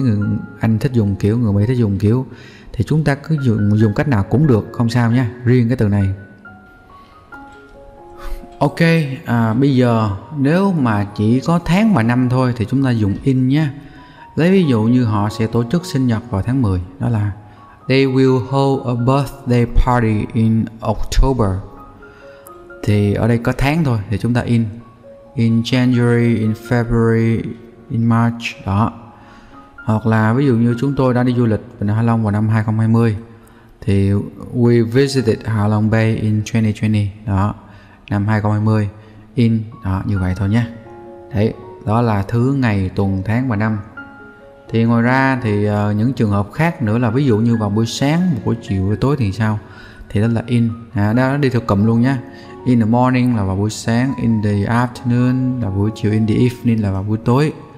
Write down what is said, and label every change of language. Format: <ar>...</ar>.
<vi>Người Anh thích dùng kiểu, người Mỹ thích dùng kiểu. Thì chúng ta cứ dùng cách nào cũng được, không sao nha, riêng cái từ này. Ok, bây giờ nếu mà chỉ có tháng và năm thôi thì chúng ta dùng in nha. Lấy ví dụ như họ sẽ tổ chức sinh nhật vào tháng 10. Đó là</vi> <en>they will hold a birthday party in October.</en> <vi>Thì ở đây có tháng thôi thì chúng ta in.</vi> <en>In January, in February, in March.</en> <vi>Đó. Hoặc là ví dụ như chúng tôi đã đi du lịch Vịnh Hạ Long vào năm 2020. Thì</vi> <en>we visited Hạ Long Bay in 2020.</en> <vi>Đó. Năm 2020. In. Đó. Như vậy thôi nha. Đấy. Đó là thứ, ngày, tuần, tháng và năm. Thì ngoài ra thì những trường hợp khác nữa là ví dụ như vào buổi sáng, buổi chiều, buổi tối thì sao? Thì đó là in. Đó. Đi theo cụm luôn nha.</vi> <en>In the morning</en> <vi>là vào buổi sáng,</vi> <en>in the afternoon</en> <vi>là buổi chiều,</vi> <en>in the evening</en> <vi>là vào buổi tối.</vi>